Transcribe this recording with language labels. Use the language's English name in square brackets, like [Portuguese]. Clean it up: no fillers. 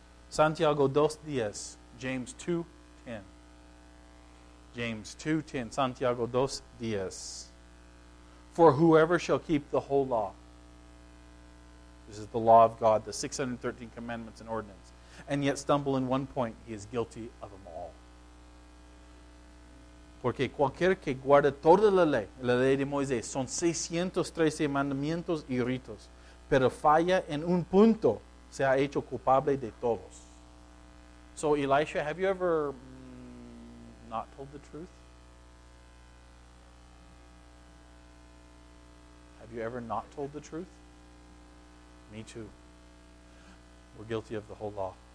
[Spanish] Santiago 2:10. James 2:10. Santiago 2:10. [English] For whoever shall keep the whole law, this is the law of God, the 613 commandments and ordinances, and yet stumble in one point, he is guilty of them all. [Spanish] Porque cualquier que guarda toda la ley de Moisés, son 613 mandamientos y ritos, pero falla en un punto, se ha hecho culpable de todos. [English] So, Elisha, have you ever not told the truth? Have you ever not told the truth? Me too. We're guilty of the whole law.